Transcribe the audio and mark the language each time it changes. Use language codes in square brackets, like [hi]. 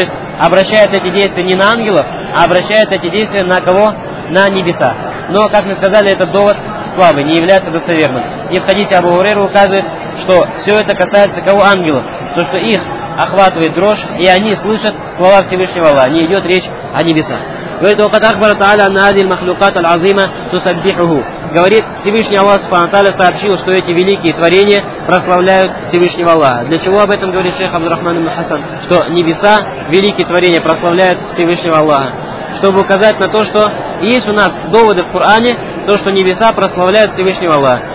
[ru] То есть обращает эти действия не на ангелов, а обращает эти действия на кого? На небеса. Но, как мы сказали, этот довод слабый, не является достоверным. И в хадисе Абу Хурейры указывает, что все это касается кого? Ангелов. То, что их охватывает дрожь, и они слышат слова Всевышнего Аллаха. Не идет речь о небесах. Говорит, [ar] وَقَدْ أَخْبَرَ تَعَالَى أَنَّ هَذِهِ الْمَخْلُوقَاتَ الْعَظِيمَةَ تُسَبِّحُهُ. [ru] Говорит, Всевышний Аллах Субхану Тааля сообщил, что эти великие творения прославляют Всевышнего Аллаха. Для чего об этом говорит шейх Абдурахман ибн Хасан? Что небеса, великие творения, прославляют Всевышнего Аллаха. Чтобы указать на то, что есть у нас доводы в Коране, то, что небеса прославляют Всевышнего Аллаха.